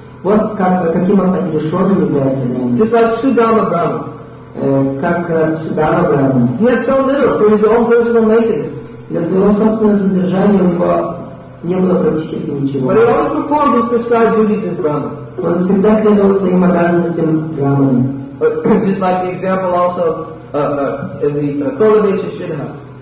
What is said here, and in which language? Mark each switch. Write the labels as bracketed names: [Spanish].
[Russian] Вот каким он отрешенным является. [English] Just like Sudama Brahma. [Russian] Как Судама Брама. [English] He has so little for his own personal maintenance. [Russian] Для своего собственного содержания у него не было практически ничего. [English] But he always performed his prescribed duties as Brahma. [Russian] Он всегда следовал своим обязанностям Брамана. [English] Just like the example also in the Kolavecha Shidha.